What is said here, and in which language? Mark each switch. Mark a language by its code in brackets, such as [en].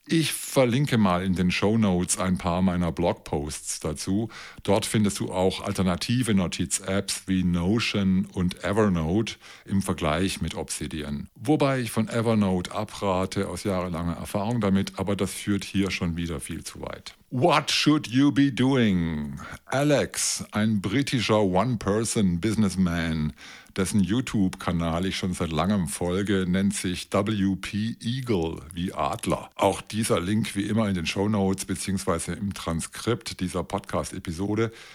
[de] Ich verlinke mal in den Shownotes ein paar meiner Blogposts dazu. Dort findest du auch alternative Notiz-Apps wie Notion und Evernote im Vergleich mit Obsidian. Wobei ich von Evernote abrate aus jahrelanger Erfahrung damit, aber das führt hier schon wieder viel zu weit. [en] What should you be doing? [de] Alex, ein britischer One-Person-Businessman, dessen YouTube-Kanal ich schon seit langem folge, nennt sich WP Eagle, wie Adler. Auch dieser Link wie immer in den Shownotes bzw. im Transkript dieser Podcast-Episode.